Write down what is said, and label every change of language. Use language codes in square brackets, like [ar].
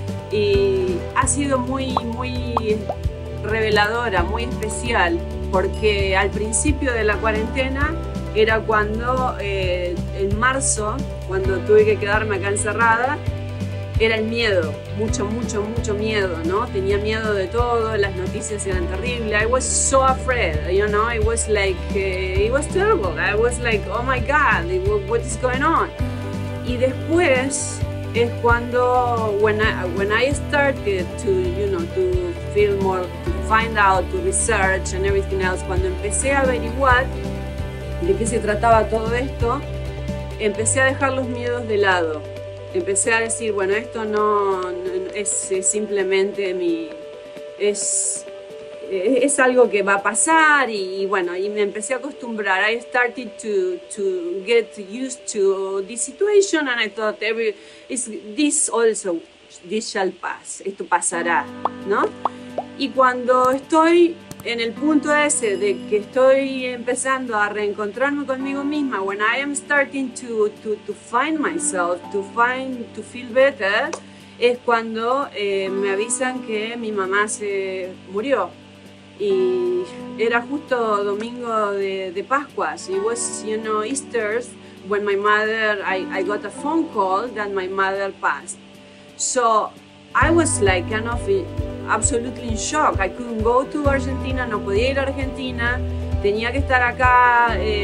[es] Y ha sido muy, muy reveladora, muy especial, porque al principio de la cuarentena era cuando, en marzo, cuando tuve que quedarme acá encerrada, era el miedo, mucho, mucho, mucho miedo, ¿no? Tenía miedo de todo, las noticias eran terribles. [en] I was so afraid, you know? It was terrible. I was like, oh my God, what is going on? [es] Y después es cuando, [en] when I started to feel more, find out, to research and everything else. [es] Cuando empecé a averiguar de qué se trataba todo esto, empecé a dejar los miedos de lado. Empecé a decir, bueno, esto no es simplemente es algo que va a pasar y bueno, y me empecé a acostumbrar. [en] I started to get used to this situation and I thought this also, this shall pass. [es] Esto pasará, ¿no? Y cuando estoy en el punto ese de que estoy empezando a reencontrarme conmigo misma, [en] when I am starting to find myself, to feel better, [es] es cuando me avisan que mi mamá se murió. Y era justo domingo de Pascuas. [en] It was, you know, Easter, when my mother, I got a phone call that my mother passed. So I was like kind of absolutely in shock. I couldn't go to Argentina, [es] no podía ir a Argentina, tenía que estar acá.